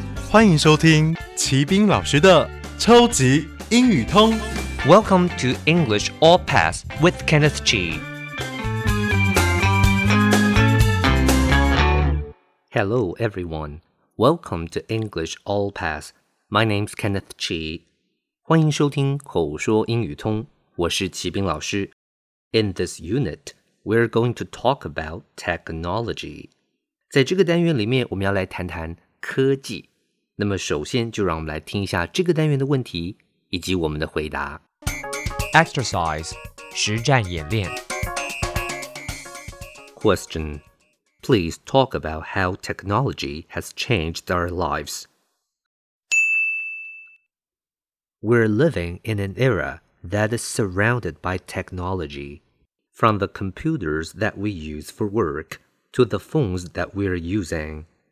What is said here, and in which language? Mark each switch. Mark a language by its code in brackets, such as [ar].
[zh] 欢迎收听齐宾老师的超级英语通。 [en] Welcome to English All Pass with Kenneth G. Hello, everyone. Welcome to English All Pass. My name's Kenneth G. [zh] 欢迎收听口说英语通。我是齐宾老师。 [en] In this unit, we're going to talk about technology. [zh] 在这个单元里面，我们要来谈谈科技。那么首先就让我们来听一下这个单元的问题以及我们的回答。 Exercise, 实战演练。 [en] Question, please talk about how technology has changed our lives. We're living in an era that is surrounded by technology, from the computers that we use for work to the phones that we're using.